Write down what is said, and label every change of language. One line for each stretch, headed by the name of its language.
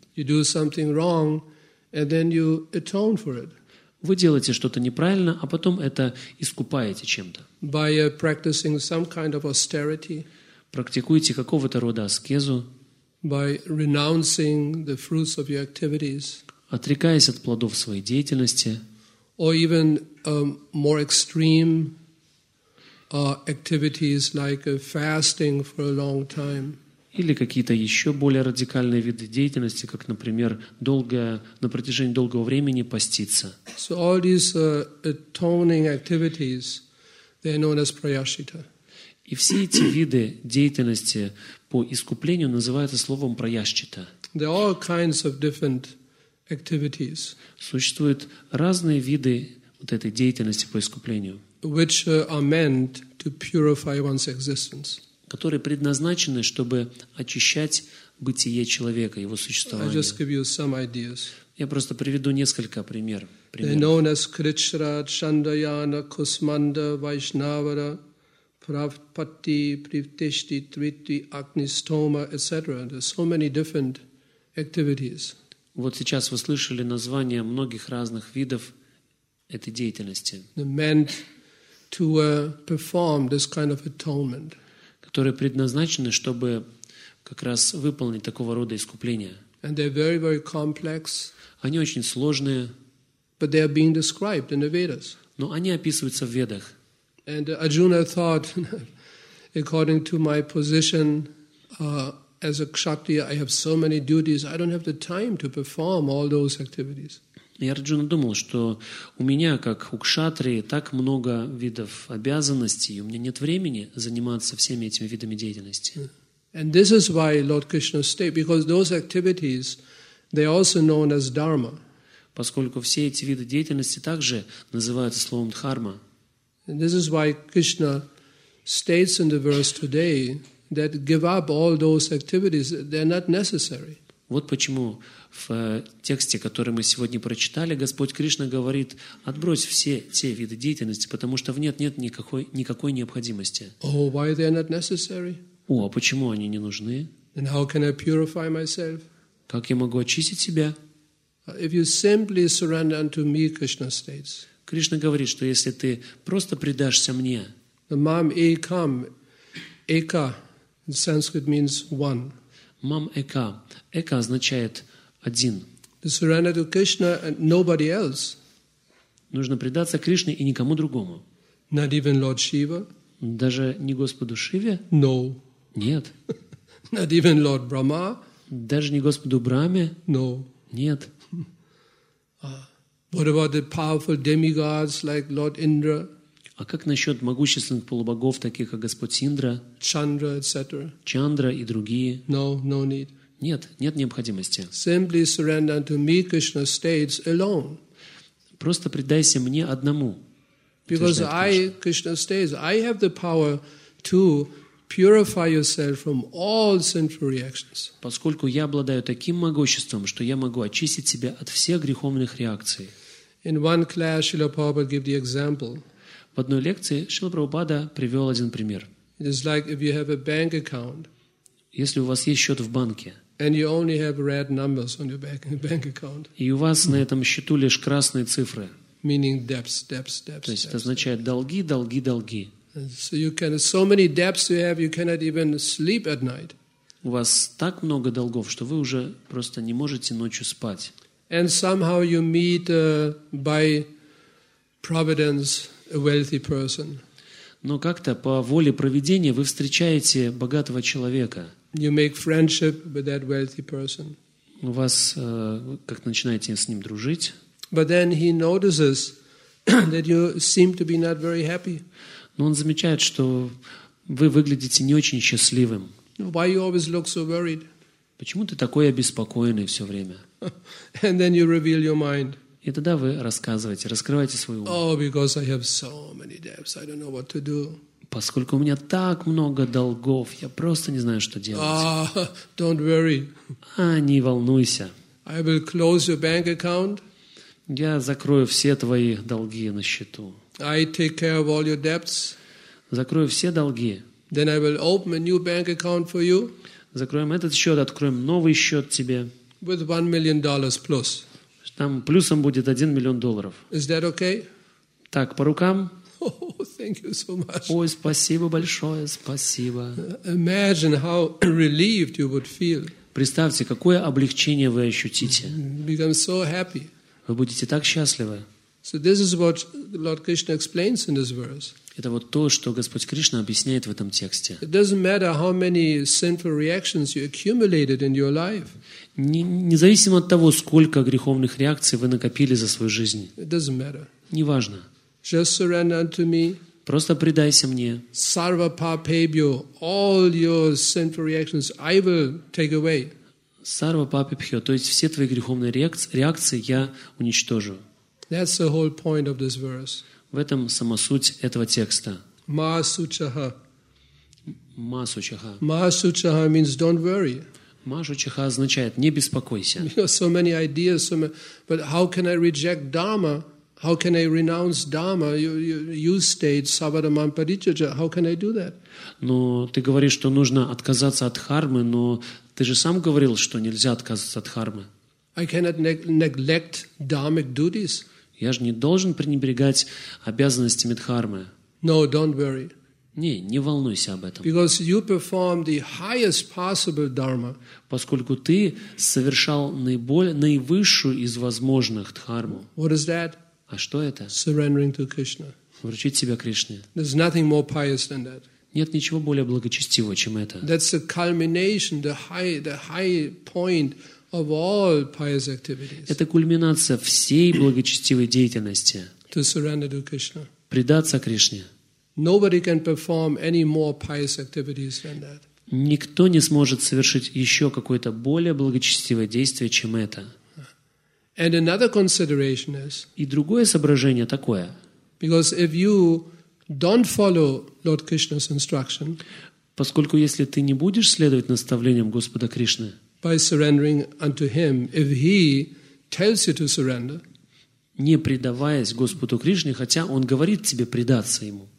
English: You do something wrong, and then you atone for it.
Russian: Вы делаете что-то неправильно, а потом это искупаете чем-то.
English: By practicing some kind of austerity.
Russian: Практикуете какого-то рода аскезу.
English: By renouncing the fruits of your activities,
Russian: отрекаясь от плодов своей деятельности,
English: or even more extreme activities like fasting for a long time,
Russian: или какие-то еще более радикальные виды деятельности, как, например, на протяжении долгого времени поститься.
English: So all these atoning activities, they're known as prayashchita.
Russian: И все эти виды деятельности по искуплению называются словом прайашчита.
English: There are all kinds of different activities.
Russian: Существуют разные виды вот этой деятельности по искуплению.
English: Which are meant to purify one's existence.
Russian: Которые предназначены, чтобы очищать бытие человека, его существование.
English: I'll just give you some ideas.
Russian: Я просто приведу несколько примеров.
English: They're known as Krishra, Chandrayana, Kusmanda, Vaishnavara, Pravpati, Pritishti, Triti, Agnistoma, etc. There's so many different activities.
Russian: Вот сейчас вы слышали названия многих разных видов этой деятельности.
English: They're meant to perform this kind of atonement.
Russian: Которые предназначены, чтобы как раз выполнить такого рода искупление.
English: And they're very, very complex.
Russian: Они очень сложные.
English: But they are being described in the Vedas.
Russian: Но они описываются в Ведах.
English: And Arjuna thought, according to my position as a kshatriya, I have so many duties, I don't have the time to perform all those activities.
Russian: И Арджуна думал, что у меня, как у кшатрии, так много видов обязанностей, у меня нет времени заниматься всеми этими видами деятельности.
English: And this is why Lord Krishna stated, because those activities, they are also known as dharma.
Russian: Поскольку все эти виды деятельности также называются словом дхарма.
English: And this is why Krishna states in the verse today that give up all those activities, they're not necessary.
Russian: Вот почему в тексте, который мы сегодня прочитали, Господь Кришна говорит, отбрось все те виды деятельности, потому что в них нет никакой необходимости.
English: Oh, why they're not necessary?
Russian: О, а почему они не нужны?
English: And how can I purify myself?
Russian: Как я могу очистить себя?
English: If you simply surrender unto me, Krishna states.
Russian: Кришна говорит, что если ты просто предашься мне.
Sanskrit: Mam ekam,
English: eka in Sanskrit means one.
Sanskrit: Mam eka,
Russian: eka означает один.
English: To surrender to Krishna and nobody else.
Russian: Нужно предаться Кришне и никому другому.
English: Not even Lord Shiva.
Russian: Даже не Господу Шиве?
English: No.
Russian: Нет.
English: Not even Lord Brahma.
Russian: Даже не Господу Брахме?
English: No.
Russian: Нет.
English: What about the powerful demigods like Lord Indra?
Russian: А как насчет могущественных полубогов, таких как Господь Индра?
English: Chandra, etc.
Russian: Чандра и другие?
English: No, no need.
Russian: Нет, нет необходимости.
English: Simply surrender unto me, Krishna states, alone.
Russian: Просто предайся мне одному.
English: Because Krishna states, I have the power to purify yourself from all sinful reactions.
Russian: Поскольку я обладаю таким могуществом, что я могу очистить себя от всех греховных реакций.
English: In one class, Srila Prabhupada gave the example.
Russian: В одной лекции Шрила Прабхупада привел один пример.
English: It is like if you have a bank account.
Russian: Если у вас есть счет в банке.
English: And you only have red numbers on your bank account.
Russian: И у вас на этом счету лишь красные цифры.
English: Meaning debts.
Russian: То есть это означает долги.
English: So you can so many debts you have you cannot even sleep at night.
Russian: У вас так много долгов, что вы уже просто не можете ночью спать.
English: And somehow you meet by providence a wealthy person.
Russian: Но как-то по воле провидения вы встречаете богатого человека.
English: You make friendship with that wealthy person.
Russian: У вас как начинаете с ним дружить?
English: But then he notices that you seem to be not very happy.
Russian: Но он замечает, что вы выглядите не очень счастливым.
English: Why you always look so worried?
Russian: Почему ты такой обеспокоенный все время?
English: And then you reveal your mind.
Russian: И тогда вы раскрываете свой ум.
English: Oh, because I have so many debts, I don't know what to do.
Russian: Поскольку у меня так много долгов, я просто не знаю, что делать.
English: Don't worry.
Russian: Не волнуйся.
English: I will close your bank account.
Russian: Я закрою все твои долги на счету.
English: I take care of all your debts.
Russian: Закрою все долги.
English: Then I will open a new bank account for you.
Russian: Закроем этот счет, откроем новый счет тебе.
English: With $1 million plus.
Russian: Там плюсом будет $1 million.
English: Is that okay?
Russian: Так, по рукам?
English: Oh, thank you so much.
Russian: Ой, спасибо большое, спасибо.
English: Imagine how relieved you would feel.
Russian: Представьте, какое облегчение вы ощутите.
English: Become so happy.
Russian: Вы будете так счастливы.
English: So this is what Lord Krishna explains in this verse.
Russian: Это вот то, что Господь Кришна объясняет в этом тексте.
English: It doesn't matter how many sinful reactions you accumulated in your life.
Russian: Независимо от того, сколько греховных реакций вы накопили за свою жизнь.
English: It doesn't matter.
Russian: Неважно.
English: Just surrender unto me.
Russian: Просто предайся мне.
Sanskrit: Sarva papebhyo,
English: all your sinful reactions I will take away.
Sanskrit: Sarva papebhyo,
Russian: то есть все твои греховные реакции я уничтожу.
English: That's the whole point of this verse.
Russian: В этом сама суть этого текста.
Sanskrit: Масучаха. Масучаха.
English: Масучаха means don't worry.
Russian: Машучиха означает не беспокойся.
English: You know, so many ideas, so many, but how can I reject Dharma? How can I renounce Dharma? You state
Sanskrit: Savadaman Parichaja.
English: How can I do that?
Russian: Но ты говоришь, что нужно отказаться от хармы, но ты же сам говорил, что нельзя отказываться от хармы.
English: I cannot neglect dharmic duties.
Russian: Я же не должен пренебрегать обязанностями дхармы.
English: No, don't worry.
Russian: Не, не волнуйся об этом.
English: Because you perform the highest possible dharma.
Russian: Поскольку ты совершал наивысшую из возможных дхарму.
English: What is that?
Russian: А что это?
English: Surrendering to Krishna.
Russian: Вручить себя Кришне.
English: There's nothing more pious than that.
Russian: Нет ничего более благочестивого, чем это.
English: That's the culmination, the high point of all pious activities.
Russian: Это кульминация всей благочестивой деятельности.
English: To surrender to Krishna.
Russian: Предаться Кришне.
English: Nobody can perform any more pious activities than that.
Russian: Никто не сможет совершить еще какое-то более благочестивое действие, чем это.
English: And another consideration is.
Russian: И другое соображение такое.
English: Because if you don't follow Lord Krishna's instruction.
Russian: Поскольку если ты не будешь следовать наставлениям Господа Кришны.
English: By surrendering unto Him, if He tells you to surrender.
Russian: Не предаваясь Господу Кришне, хотя Он говорит тебе предаться Ему.